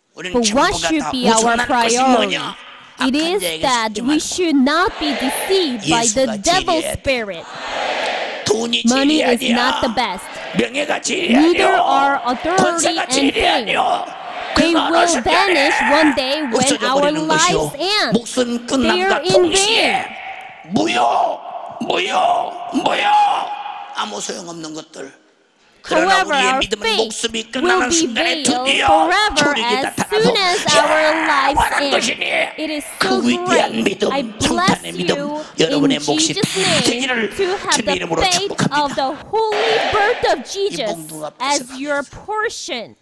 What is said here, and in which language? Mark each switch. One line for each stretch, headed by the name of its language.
English: But what should be our priority? It is that we should not be deceived by the devil's spirit. Money is not the best. Neither are authority and fame. They will vanish one day when our lives end. They are in vain.
Korean: 무효, 아무 소용 없는 것들.
English: However, our faith will be veiled forever as soon as our lives end. It is so great. I bless you in Jesus' name to have the faith of the holy birth of Jesus as your portion.